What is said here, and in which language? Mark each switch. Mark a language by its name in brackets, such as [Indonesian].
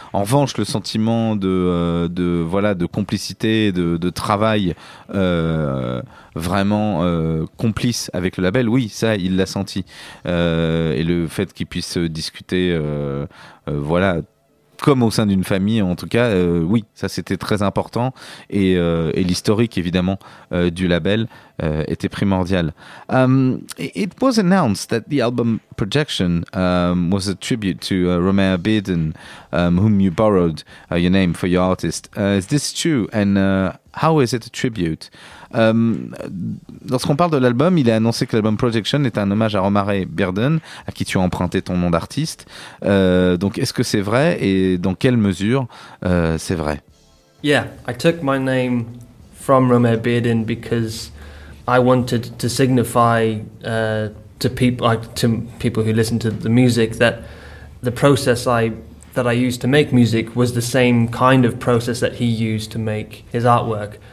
[French] En revanche, le sentiment de complicité, de travail vraiment complice avec le label, oui, ça, il l'a senti. Et le fait qu'il puisse discuter, comme au sein d'une famille, en tout cas, oui, ça c'était très important. Et l'historique, évidemment, du label était primordial. [English] It was announced that the album Projection was a tribute to Romare Bearden, whom you borrowed your name for your artist. Is this true? And how is it a tribute? [French] Lorsqu'on parle de l'album, il est annoncé que l'album Projection est un hommage à Romare Bearden, à qui tu as emprunté ton nom d'artiste. Donc, est-ce que c'est vrai, et dans quelle mesure c'est vrai? [English] Yeah, I took my name from Romare Bearden because I wanted to signify to people who listen to the music that the process I used to make music was the same kind of process that he used to make his artwork.